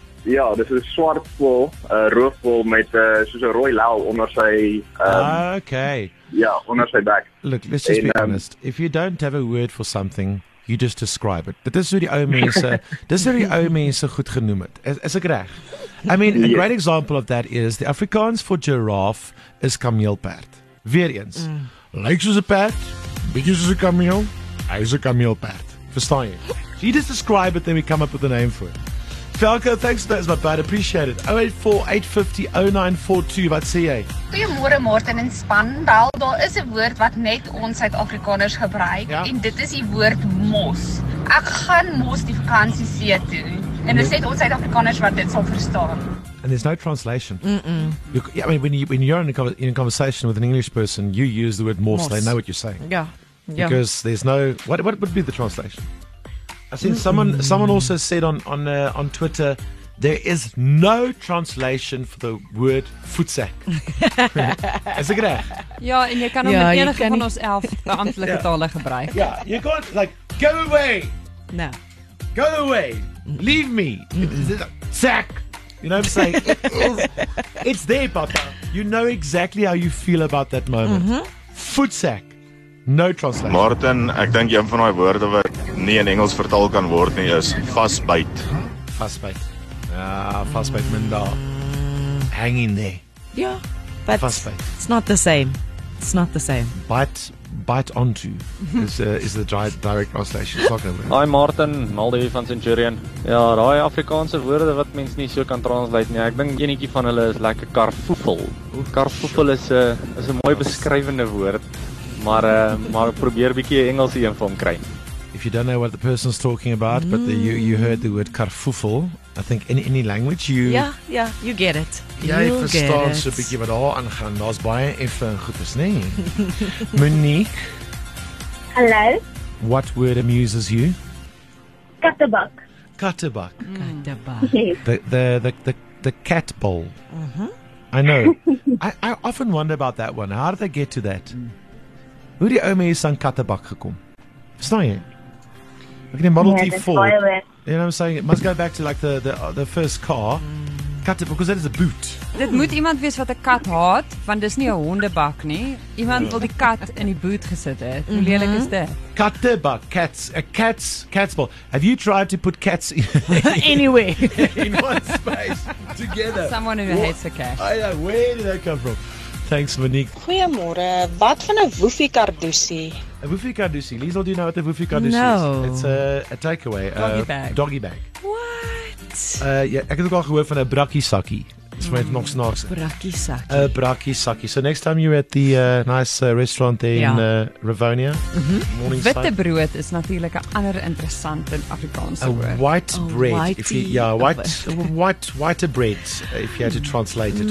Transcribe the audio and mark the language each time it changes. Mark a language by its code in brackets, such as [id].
[af] Ja, dit is 'n swart voel, 'n roofvoel met soos 'n rooi lel onder sy... [en] Okay. Yeah, when I say back. Look, let's just be honest. If you don't have a word for something, you just describe it. But this is [af] hoe die ou mense, dis hoe die ou mense goed genoem het. Is ek reg? [en] I mean, a great example of that is the Afrikaans for giraffe is kameelperd. [af] Weer eens. Lyk soos 'n perd, bietjie soos 'n kameel, hy is 'n kameelperd. Verstaan jy? [en] So you just describe it, then we come up with a name for it. Falco, thanks for that, it's my bad, appreciate it. [af] 084-850-0942, wat sê jy? Goeiemôre Martin en span, wel, daar is 'n woord wat net ons Suid-Afrikaners gebruik, ja? En dit is die woord mos. Ek gaan mos die vakansie see toe, en dit sê ons Suid-Afrikaners wat dit sal verstaan. [en] And there's no translation. Mm-mm. Yeah, I mean, when you're in a conversation with an English person, you use the word mos, they know what you're saying. Yeah. Because there's no, what would be the translation? I see someone also said on Twitter, there is no translation for the word voetsak. Is it great? [af] Ja, en jy kan hom met enige van ons 11 amptelike tale gebruik. [en] Ja, you can't, like, go away. No. Go away. Leave me. Sack. You know what I'm saying? It's there, Papa. You know exactly how you feel about that moment. Voetsak. No translation. [af] Martin, ek dink een van daai woorde wat nie in Engels vertaal kan word nie is vasbyt. [en] Vasbyt. Vasbyt minda. Hang in there. Yeah, but vasbyt. It's not the same. It's not the same. Bite onto is the direct translation talking about. [af] Hi Martin, Maldivie van Centurion. Ja, daai Afrikaanse woorde wat mens nie so kan translate nie. Ek dink enetjie van hulle is lekker karfoefel. Karfoefel is 'n mooi beskrywende woord. Maar probeer 'n bietjie Engelsie een van kry. [en] If you don't know what the person's talking about, but you heard the word karfoefel, I think in any language you... Yeah, you get it. [af] Jy verstaan so 'n bietjie wat daar aangaan. Daar's baie effe en goed is, nê? Nee. Monique. [en] Hello. What word amuses you? [af] Kattebak. Kattebak. Kattebak. [en] The cat bowl. I know. I often wonder about that one. How did they get to that? [af] Hoe die ou mense aan kattebak gekom? [en] It's not yet. Look at the Model T Ford. You know what I'm saying? It must go back to like the first car. Cut it because that is a boot. [af] Dit moet iemand wees wat 'n kat haat, want dis nie 'n hondebak nie. Iemand wil die kat in die boot gesit het. Hoe lelik is dit? [en] Kattebak, cats, cats ball. Have you tried to put cats anywhere in one space together? Someone who hates a cat. Where did that come from? Thanks, Monique. [af] Goeiemôre. Wat van 'n woofie kardusie? [en] A woofie kardusie. Liesel, do you know what a woofie kardusie no. is? It's a takeaway. Doggy bag. [af] Yeah, ek het ook al gehoor van 'n brakkie sakkie. Dis vir my nog snaaks. Brakkie sakkie. [en] So next time you're at the nice restaurant there in Rivonia, morning [af] side. Witte brood is natuurlik 'n ander interessante Afrikaanse woord. [en] A white bread. White bread, if you had to translate it.